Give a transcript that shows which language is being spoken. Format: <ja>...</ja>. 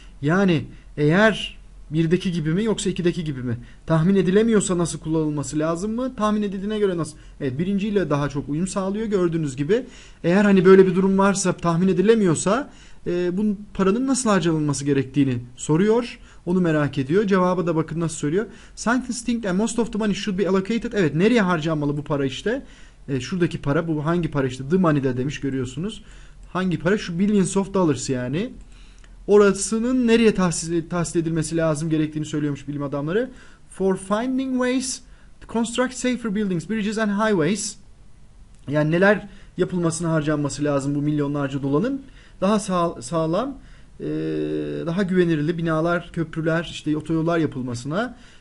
<tr>Yani eğer birdeki gibi mi yoksa ikideki gibi mi? Tahmin edilemiyorsa nasıl kullanılması lazım mı? Tahmin edildiğine göre nasıl? Evet, birinciyle daha çok uyum sağlıyor gördüğünüz gibi. Eğer hani böyle bir durum varsa, tahmin edilemiyorsa, bu paranın nasıl harcanılması gerektiğini soruyor. Onu merak ediyor. Cevabı da bakın nasıl söylüyor.</tr> <en>Scientists think that most of the money should be allocated.</en> <tr>Evet, nereye harcanmalı bu para işte? Şuradaki para, bu hangi para işte?</tr> <en>The money</en> <tr>de demiş, görüyorsunuz. Hangi para? Şu</tr> <en>billions of dollars</en> <tr>yani. Orasının nereye tahsis edilmesi lazım gerektiğini söylüyormuş bilim adamları.</tr> <en>For finding ways to construct safer buildings, bridges and highways.</en> <tr>Yani neler yapılmasına harcanması lazım bu milyonlarca dolanın? Daha sağlam, daha güvenirli binalar, köprüler, işte otoyollar yapılmasına.</tr>